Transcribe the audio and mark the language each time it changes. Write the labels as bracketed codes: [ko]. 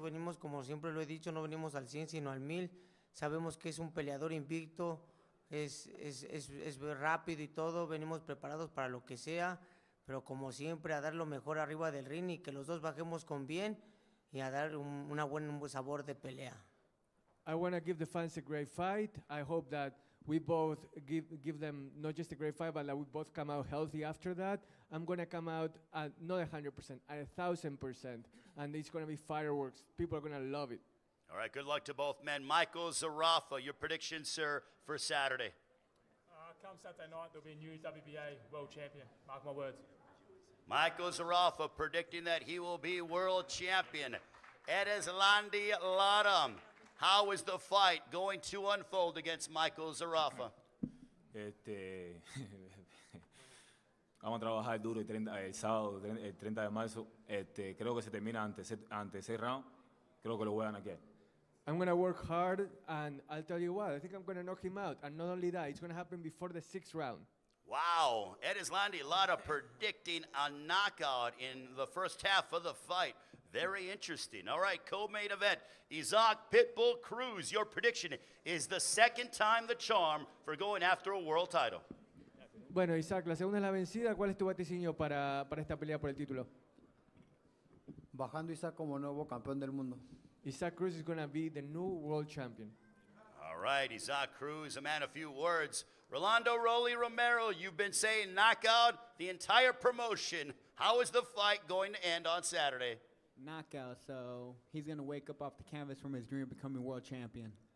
[es] Venimos, como siempre lo he dicho, no venimos al 100, sino al 1000. Sabemos que es un peleador invicto. Es rápido y todo. Venimos preparados para lo que sea. pero como siempre, a dar lo mejor arriba del ring y que los dos bajemos con bien y a dar un buen sabor de pelea. [en] I want to give the fans a great fight. I hope that we both give them not just a great fight, but that we both come out healthy after that. I'm going to come out at not 100%, at 1,000%, and it's going to be fireworks. People are going to love it. All right, good luck to both men. Michael Zerafa, your prediction, sir, for Saturday. Come Saturday night, there'll be a new WBA world champion. Mark my words. Michael Zerafa predicting that he will be world champion. Erislandy Lara, how is the fight going to unfold against Michael Zerafa? [es] Vamos a trabajar duro el sábado, el 30 de marzo. Creo que se termina antes seis rounds. Creo que lo voy a ganar. [en] I'm going to work hard, and I'll tell you what, I think I'm going to knock him out. And not only that, it's going to happen before the sixth round. Wow. Erislandy Lara predicting a knockout in the first half of the fight. Very interesting. All right, co-main event, Isaac Pitbull Cruz. Your prediction is the second time the charm for going after a world title. [es] Bueno, Isaac, la segunda es la vencida. ¿Cuál es tu vaticinio para esta pelea por el título? Bajando Isaac como nuevo campeón del mundo. [en] Isaac Cruz is going to be the new world champion. All right, Isaac Cruz, a man of few words. Rolando Rolly Romero, you've been saying knockout the entire promotion. How is the fight going to end on Saturday? Knockout, so he's going to wake up off the canvas from his dream of becoming world champion.